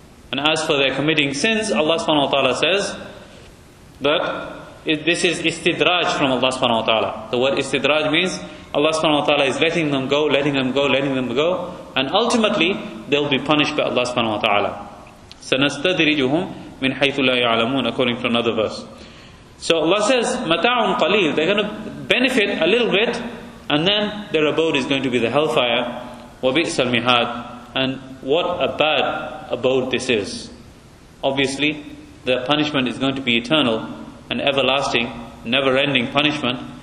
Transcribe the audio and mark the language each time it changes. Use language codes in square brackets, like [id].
[en] And as for their committing sins, Allah subhanahu wa ta'ala says that this is istidraj from Allah subhanahu wa ta'ala. The word istidraj means Allah subhanahu wa ta'ala is letting them go, letting them go, letting them go, and ultimately they'll be punished by Allah subhanahu wa ta'ala. [ar] سَنَسْتَدْرِجُهُمْ مِنْ حَيْثُ لَا يَعْلَمُونَ, [en] according to another verse. So Allah says, [ar] مَتَاعٌ قَلِيلٌ, [en] they're going to benefit a little bit, and then their abode is going to be the hellfire. [ar] وَبِئْسَ الْمِهَادِ, [en] and what a bad abode this is. Obviously, the punishment is going to be eternal, an everlasting, never-ending punishment.